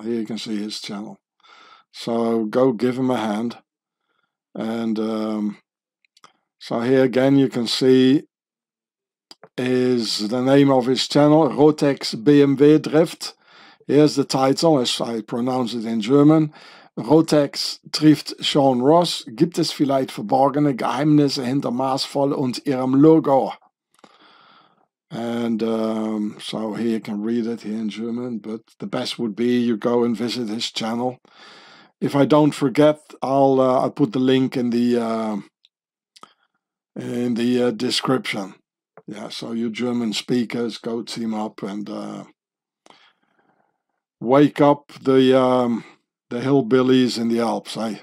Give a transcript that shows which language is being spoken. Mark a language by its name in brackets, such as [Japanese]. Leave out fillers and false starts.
[English] Here you can see his channel. So go give him a hand. And so here again, you can see is the name of his channel, Rotex BMW Drift. Here's the title, as I pronounce it in German. [German] Rotex trifft Sean Ross. Gibt es vielleicht verborgene Geheimnisse hinter Marsfall und ihrem Logo? [English] And so here you can read it here in German, but the best would be you go and visit his channel. If I don't forget, I'll put the link in the description. Yeah, so you German speakers, go team up and wake up the hillbillies in the Alps.